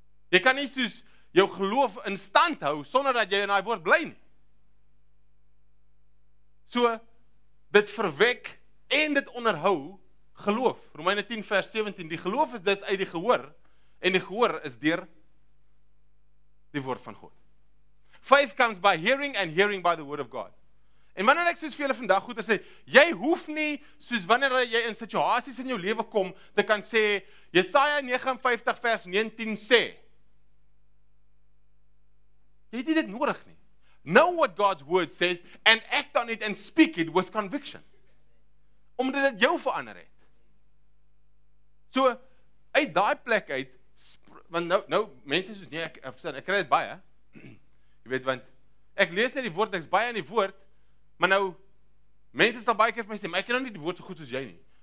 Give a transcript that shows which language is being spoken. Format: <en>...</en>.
<af>Jy kan nie soos jou geloof in stand hou sonder dat jy in daai woord bly nie. So, dit verwek en dit onderhou geloof. Romeine 10 vers 17, die geloof is dus uit die gehoor en die gehoor is deur die woord van God.</af> <en>Faith comes by hearing and hearing by the word of God.</en> <af>En wanneer ek soos vir julle vandag goeie sê, jy hoef nie soos wanneer jy in situasies in jou lewe kom te kan sê, Jesaja 59 vers 19 sê, jy het nie dit nodig nie.</af> <en>Know what God's word says and act on it and speak it with conviction.</en> <af>Omdat dit jou verander het. So, uit daai plek uit, want nou mense soos, nee, ek kry dit baie, jy weet, want ek lees net die woord, ek is baie in die woord, maar nou, mense sal baie keer vir my sê, maar ek ken nou nie die woord so goed soos jy nie.</af>